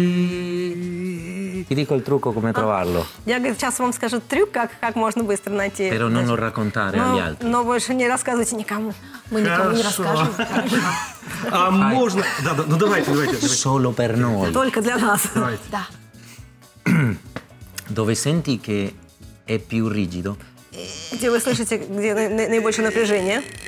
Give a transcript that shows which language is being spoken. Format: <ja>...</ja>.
<it>Ti dico il trucco come trovarlo.</it> <ru>Я сейчас вам скажу трюк, как можно быстро найти.</ru> <it>Però non lo raccontare agli altri.</it> <ru>Но больше не рассказывайте никому. Мы никому не расскажем. А можно... Да, да, ну давайте, давайте.</ru> <it>Solo per noi.</it> <ru>Только для нас. Да.</ru> <it>Dove senti che è più rigido?</it> <ru>Где вы слышите, где наибольшее напряжение?</ru>